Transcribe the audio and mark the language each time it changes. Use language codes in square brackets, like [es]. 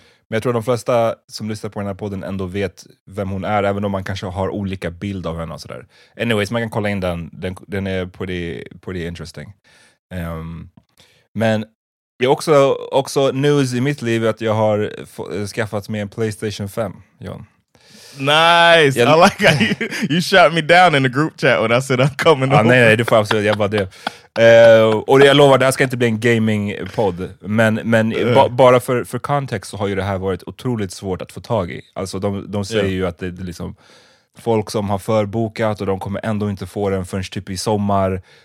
[sv] Men jag tror de flesta som lyssnar på den här podden ändå vet vem hon är, även om man kanske har olika bild av henne och sådär. Anyways, man kan kolla in den. Den är [en] pretty interesting. [sv] Men det är också news i mitt liv att jag har skaffat mig en PlayStation 5, John. [en] Nice! I like how you shot me down in the group chat when I said I'm coming over. [sv] Nej, det får jag absolut. Jag bara det. Och jag lovar, det här ska inte bli en gaming-podd. Men bara för kontext så har ju det här varit otroligt svårt att få tag i. Alltså de säger ju att det är liksom folk som har förbokat och de kommer ändå inte få den förrän typ i sommar.